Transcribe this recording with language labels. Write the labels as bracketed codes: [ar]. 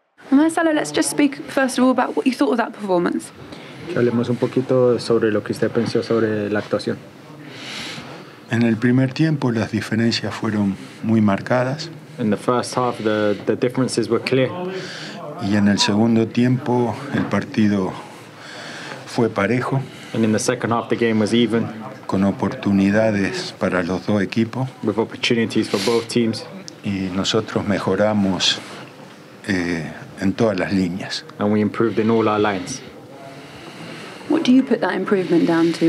[en] Marcelo, let's just speak first of all about what you thought of that performance. [es] Hablemos un poquito sobre lo que usted pensó sobre la actuación. En el primer tiempo las diferencias fueron muy marcadas. [en] In the first half the differences were clear. [es] Y en el segundo tiempo el partido fue parejo. [en] And in the second half the game was even. [es] Con oportunidades para los dos equipos. [en] With opportunities for both teams. [es] Y nosotros mejoramos en todas las líneas. [en] And we improved in all our lines. What do you put that improvement down to?